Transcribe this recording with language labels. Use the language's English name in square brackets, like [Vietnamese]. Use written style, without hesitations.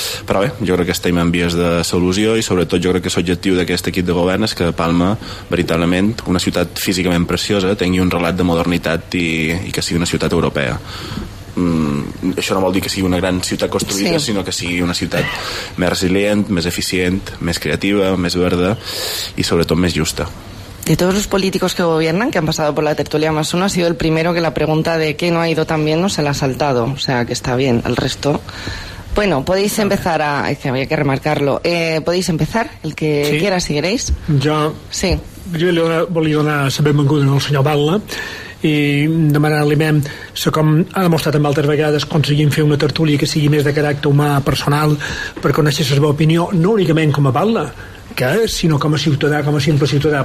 [Catalan] Però bé, jo crec que estem en vies de solució i sobretot jo crec que l'objectiu d'aquest equip de govern és que Palma, veritablement, una ciutat físicament preciosa, tingui un relat de modernitat i que sigui una ciutat europea. Això no vol dir que sigui una gran ciutat construïda, sí, sinó que sigui una ciutat més resilient, més eficient, més creativa, més verda i sobretot més justa. [Spanish] De todos los políticos que gobiernan, que han pasado por la tertulia más uno, ha sido el primero que la pregunta de qué no ha ido tan bien no se la ha saltado, o sea que está bien, el resto... Bueno, podéis empezar es que había que remarcarlo, podéis empezar, el que sí quiera, si queréis. [Catalan] Jo li volia donar la benvinguda al senyor Batla i demanar-li mem, com ha demostrat en altres vegades, aconseguim fer una tertúlia que sigui més de caràcter humà, personal, per conèixer la seva opinió, no únicament com a Batla, sinó com a ciutadà, com a simple ciutadà.